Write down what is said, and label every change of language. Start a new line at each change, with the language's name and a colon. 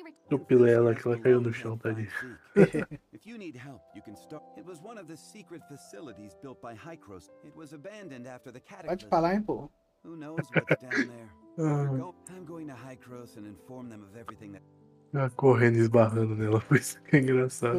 Portuguese: Eu pilei ela que ela caiu no chão, tá ali.
English: If you need help, you can start. It was one of the secret facilities built by Hycros. It was abandoned after the cataclysm.
Portuguese: Pode falar, hein, pô?
English: Who knows what's down there? I'm going to Hycros and inform them of everything that.
Portuguese: Ela correndo e esbarrando nela, foi isso que é engraçado.